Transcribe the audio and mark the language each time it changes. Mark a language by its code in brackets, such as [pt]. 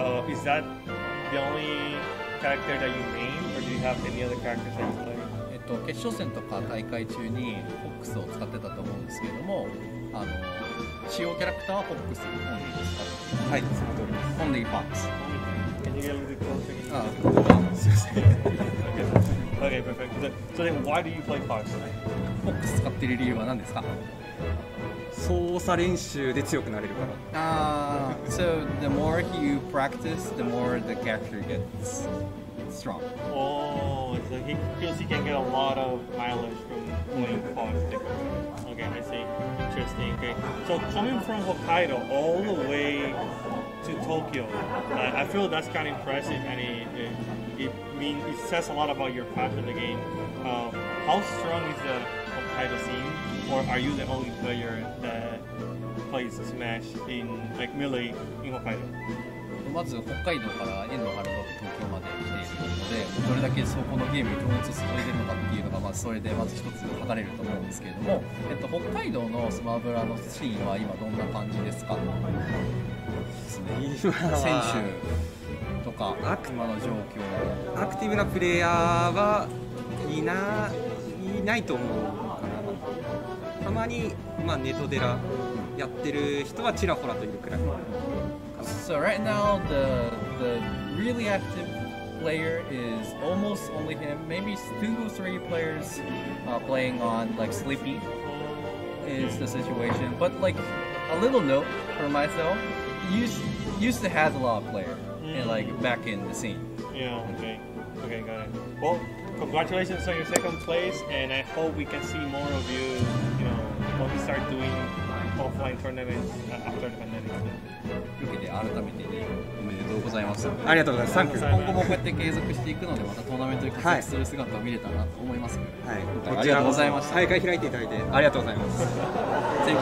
[en] Is that the only character that you main, or do you have any other characters that you play? [ja] 決勝戦とか大会中に FOX を使ってたと思うんですけれども、主要キャラクターは FOX を使っています。 はい、そのとおりです。 [en] Only FOX。 Can you get a little bit closer? Okay, perfect. So then, why do you play Fox? [ja] Fox 使ってる理由は何ですか？操作練習で強くなれるから。 [en] So the more you practice, the more the character gets strong. Oh, so he feels he can get a lot of mileage from playing Fox. Okay, I see. Interesting. Okay. So coming from Hokkaido all the way to Tokyo, I feel that's kind of impressive, and it says a lot about your passion in the game. How strong is the Hokkaido scene, or are you the only player that plays Smash in like Melee in Hokkaido? [ja] まず北海道から遠野から東京まで来ているので、どれだけそこのゲームに情熱を注いでいるのかっていうのが、まあそれでまず一つ測れると思うんですけれども、北海道のスマブラのシーンは今どんな感じですか？選手とか今の状況は、アクティブなプレイヤーはいないと思うかな。たまに、まあ、ネトデラやってる人はちらほらといるくらい。 [en] So right now, the really active player is almost only him. Maybe two or three players playing on like Sleepy is the situation. But like a little note for myself, used to have a lot of player, and like back in the scene. Yeah, okay. Okay, got it. Well, congratulations on your second place, and I hope we can see more of you, you know, when we start doing offline tournaments after the pandemic. [ja] ありがとうございます。今後もこうやって継続していくので、またトーナメントに活躍する姿を見れたらなと思います。はい。こちらでございました。大会開いていただいてありがとうございます。Thank